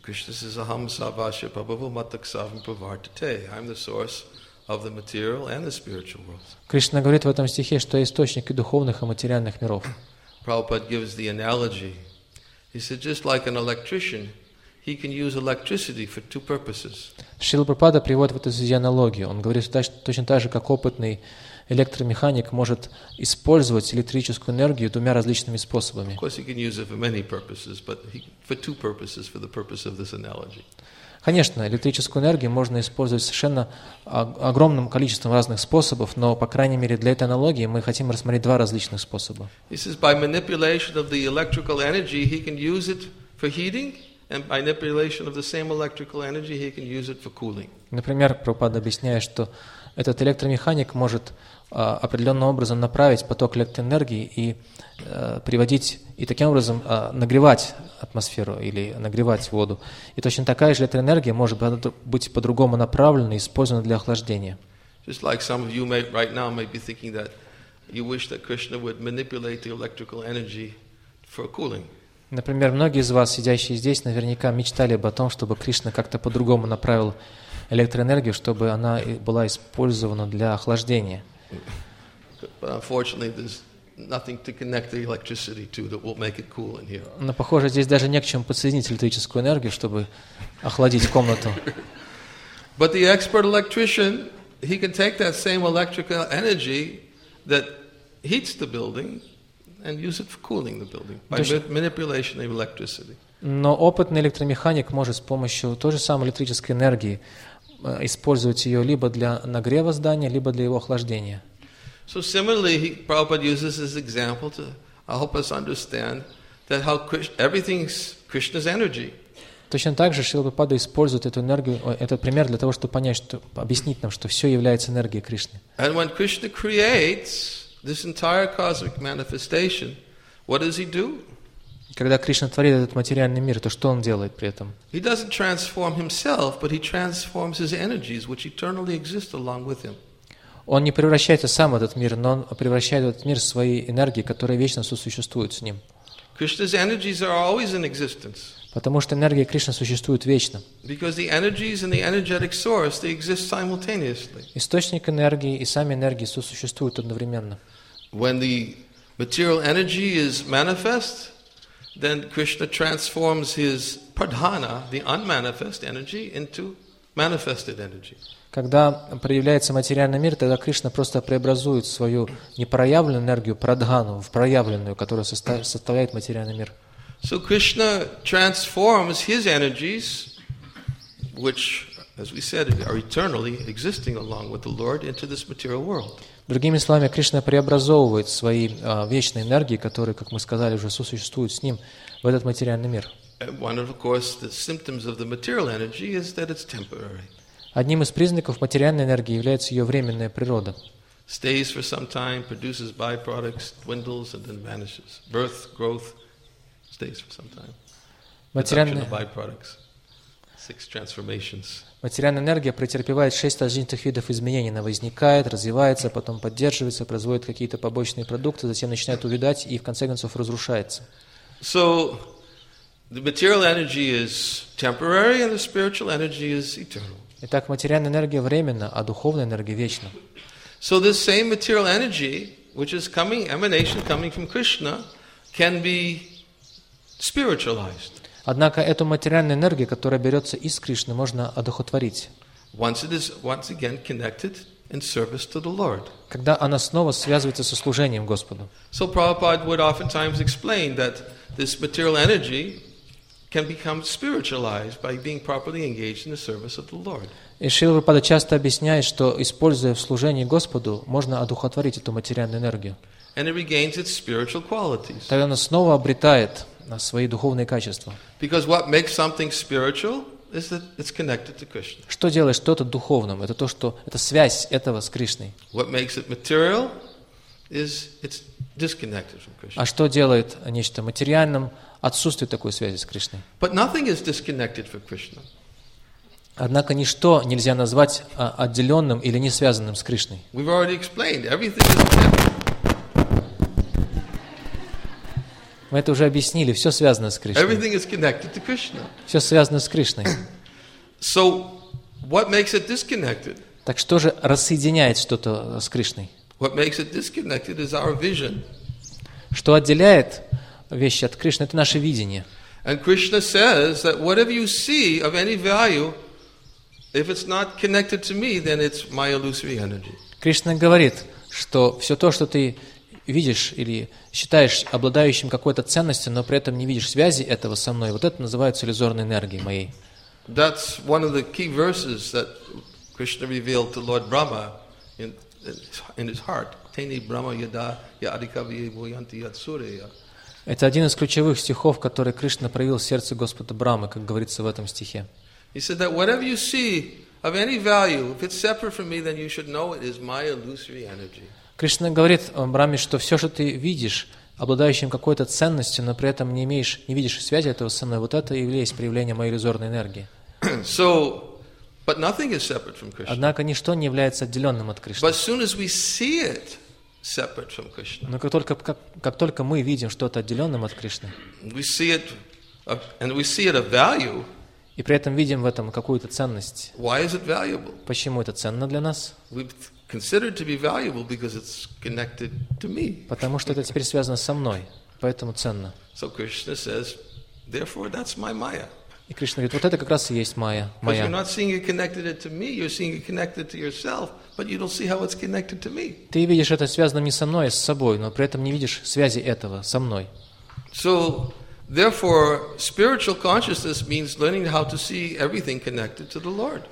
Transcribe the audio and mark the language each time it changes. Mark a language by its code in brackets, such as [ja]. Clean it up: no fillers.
[en] Krishna says, [sa] "Aham sarvasya prabhuvamataksavam pravartate. [en] I'm the source of the material and the spiritual worlds." [ru] Кришна говорит в этом стихе, что я источник и духовных, и материальных миров. [en] Prabhupada gives the analogy. He said, just like an electrician, he can use electricity for two purposes. [ru] Шрила Прабхупада приводит в эту связи аналогию. Он говорит, что точно так же, как опытный электромеханик может использовать электрическую энергию двумя различными способами. [en] Of course, he can use it for many purposes, but for two purposes, for the purpose of this analogy. [ru] Конечно, электрическую энергию можно использовать совершенно огромным количеством разных способов, но, по крайней мере, для этой аналогии мы хотим рассмотреть два различных способа. [en] This is by manipulation of the electrical energy, he can use it for heating, and by manipulation of the same electrical energy, he can use it for cooling. [ru] Например, Прабхупада объясняет, что этот электромеханик может определенным образом направить поток электроэнергии и приводить, и таким образом нагревать атмосферу или нагревать воду. И точно такая же электроэнергия может быть по-другому направлена и использована для охлаждения. [en] Just like some of you may right now may be thinking that you wish that Krishna would manipulate the electrical energy for cooling. [ru] Например, многие из вас, сидящие здесь, наверняка мечтали бы о том, чтобы Кришна как-то по-другому направил электроэнергию, чтобы она была использована для охлаждения. [en] But unfortunately, there's nothing to connect the electricity to that will make it cool in here. [ru] Но похоже, здесь даже не к чему подсоединить электрическую энергию, чтобы охладить комнату. [en] But the expert electrician, he can take that same electrical energy that heats the building and use it for cooling the building by manipulation of electricity. [ru] Но опытный электромеханик может с помощью той же самой электрической энергии использовать ее либо для нагрева здания, либо для его охлаждения. [en] So similarly, Prabhupada uses this example to help us understand that how everything's Krishna's energy. [ru] Точно так же Шрила Прабхупада использует эту энергию, этот пример для того, чтобы понять, что объяснить нам, что все является энергией Кришны. [en] And when Krishna creates this entire cosmic manifestation, what does he do? [ru] Когда Кришна творит этот материальный мир, то что он делает при этом? [en] He doesn't transform himself, but he transforms his energies, which eternally exist along with him. [ru] Он не превращается сам в этот мир, но он превращает в этот мир свои энергии, которые вечно сосуществуют с ним. [en] Krishna's energies are always in existence. [ru] Потому что энергии Кришны существуют вечно. [en] Because the energies and the energetic source, they exist simultaneously. [ru] Источник энергии и сами энергии сосуществуют одновременно. [en] When the material energy is manifest, then Krishna transforms his pradhana, the unmanifest energy, into manifested energy. [ru] Когда проявляется материальный мир, тогда Кришна просто преобразует свою непроявленную энергию, прадхану, в проявленную, которая составляет материальный мир. [en] So Krishna transforms his energies, which as we said, are eternally existing along with the Lord into this material world. [ru] Другими словами, Кришна преобразовывает свои вечные энергии, которые, как мы сказали, уже сосуществуют с Ним, в этот материальный мир. [en] And one of course the symptoms of the material energy is that it's temporary. [ru] Одним из признаков материальной энергии является ее временная природа. [en] Stays for some time, produces byproducts, dwindles, and then vanishes. Birth, growth, stays for some time. Production of byproducts. Six transformations. [ru] Материальная энергия претерпевает шесть различных видов изменений. Она возникает, развивается, потом поддерживается, производит какие-то побочные продукты, затем начинает увядать и в конце концов разрушается. [en] So, the material energy is temporary, and the spiritual energy is eternal. [ru] Итак, материальная энергия временна, а духовная энергия вечна. [en] So this same material energy, which is coming, emanation coming from Krishna, can be spiritualized. [ru] Однако эту материальную энергию, которая берется из Кришны, можно одухотворить. [en] Once it is once again connected in service to the Lord. [ru] Когда она снова связывается со служением Господу. [en] So Prabhupada would oftentimes explain that this material energy can become spiritualized by being properly engaged in the service of the Lord. [ru] И Шрила Прабхупада часто объясняет, что, используя в служении Господу, можно одухотворить эту материальную энергию. [en] And it regains its spiritual qualities. [ru] Тогда она снова обретает свои духовные качества. [en] Because what makes something spiritual is that it's connected to Krishna. [ru] Что делает что-то духовным? Это то, что это связь этого с Кришной. [en] What makes it material is it's disconnected from Krishna. [ru] А что делает нечто материальным? Отсутствие такой связи с Кришной. [en] But nothing is disconnected from Krishna. [ru] Однако ничто нельзя назвать отделенным или не связанным с Кришной. [en] We've already explained everything is connected. [ru] Мы это уже объяснили. Все связано с Кришной. [en] Everything is connected to Krishna. [ru] Все связано с Кришной. [en] So, what makes it disconnected? [ru] Так что же рассоединяет что-то с Кришной? [en] What makes it disconnected is our vision. [ru] Что отделяет вещи от Кришны? Это наше видение. [en] And Krishna says that whatever you see of any value, if it's not connected to me, then it's my illusory energy. [ru] Кришна говорит, что все то, что ты видишь или считаешь обладающим какой-то ценностью, но при этом не видишь связи этого со мной, вот это называется иллюзорной энергией моей. [en] That's one of the key verses that Krishna revealed to Lord Brahma in his heart. [sa] Tene Brahma yada ya adikavye bhuyanti yatsureya. [ru] Это один из ключевых стихов, который Кришна проявил в сердце Господа Брамы, как говорится в этом стихе. [en] He said that whatever you see of any value, if it's separate from me, then you should know it is my illusory energy. [ru] Кришна говорит Браме, что все, что ты видишь, обладающим какой-то ценностью, но при этом не видишь связи этого со мной, вот это и есть проявление моей иллюзорной энергии. [en] So, but nothing is separate from Krishna. [ru] Однако ничто не является отделенным от Кришны. [en] But as soon as we see it separate from Krishna, [ru] но как только мы видим что-то отделенным от Кришны, [en] we see it, and we see it a value, [ru] и при этом видим в этом какую-то ценность. [en] Why is it valuable? [ru] Почему это ценно для нас? [en] Considered to be valuable because it's connected to me. [ru] Потому что это теперь связано со мной, поэтому ценно. [en] So Krishna says, therefore that's my Maya. [ru] И Кришна говорит, вот это как раз и есть Maya. [en] Because you're not seeing it connected to me, you're seeing it connected to yourself, but you don't see how it's connected to me. [ru] Ты видишь это связано не со мной, а с собой, но при этом не видишь связи этого со мной. [en] So, therefore, spiritual consciousness means learning how to see everything connected to the Lord.